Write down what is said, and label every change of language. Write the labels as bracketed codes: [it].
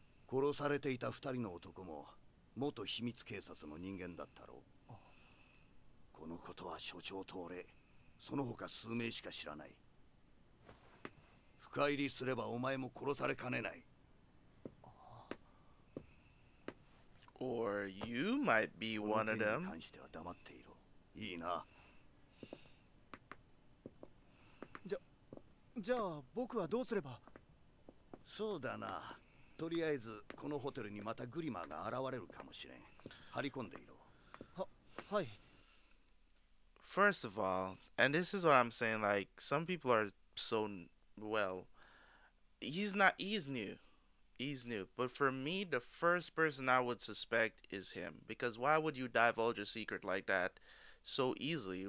[ja] 殺されていた二人の男も元秘密警察の人間だったろう。このことは署長と俺、その他数名しか知らない。深入りすればお前も殺されかねない。 [en] Or you might be one of them. [ja] この件に関しては黙っていろ。いいな。じゃあ僕はどうすれば？そうだな。とりあえずこのホテルにまたグリマーが現れるかもしれん。張り込んでいろ。はい。 [en] First of all, and this is what I'm saying, like, some people are so, well, he's new, but for me, the first person I would suspect is him, because why would you divulge a secret like that so easily?